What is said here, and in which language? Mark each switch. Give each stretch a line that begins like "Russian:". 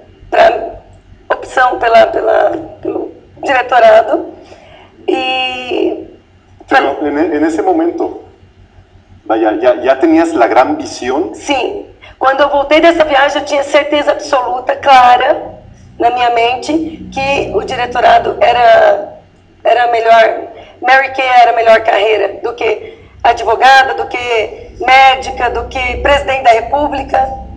Portuguese: Para opção pelo diretorado. E...
Spanish: Pero, en ese momento, vaya, ya tenías la gran visión?
Portuguese: Sim. Quando eu voltei dessa viagem, eu tinha certeza absoluta, clara, na minha mente, que o diretorado era melhor, Mary Kay era a melhor carreira do que advogada, do que médica, do que presidente da república.